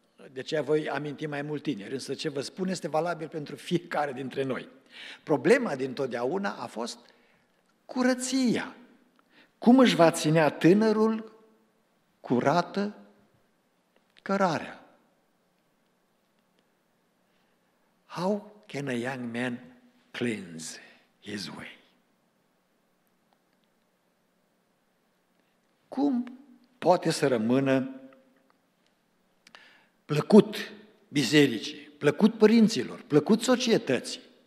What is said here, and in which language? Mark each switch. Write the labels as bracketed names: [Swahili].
[Romanian] De ce voi aminti mai mult tineri, însă ce vă spun este valabil pentru fiecare dintre noi. Problema dintotdeauna a fost curăția. Cum își va ținea tânărul curată cărarea? [English] How can a young man cleanse his way? [Romanian] Cum poate să rămână plăcut bisericii, plăcut părinților, plăcut societății?